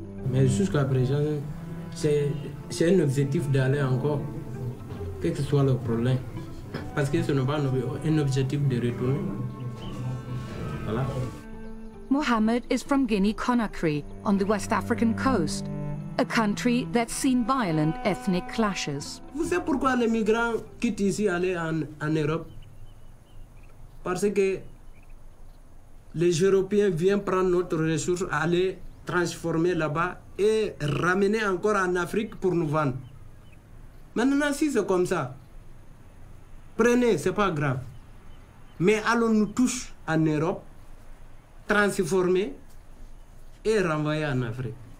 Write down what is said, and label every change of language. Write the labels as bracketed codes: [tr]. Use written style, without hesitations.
[fr] Mais jusqu'à présent, c'est un objectif d'aller encore, quel que soit le problème. Parce que ce n'est pas un objectif de retourner. Voilà. [en] Mohamed is from Guinea-Conakry on the West African coast, a country that's seen violent ethnic clashes. You know why the migrants quit here to go to Europe? Because the Europeans come to take our resources, go to transform it there, and bring it back to Africa to sell us. [fr] Maintenant, si c'est comme ça, prenez, c'est pas grave. Mais allons-nous tous en Europe, transformer et renvoyer en Afrique.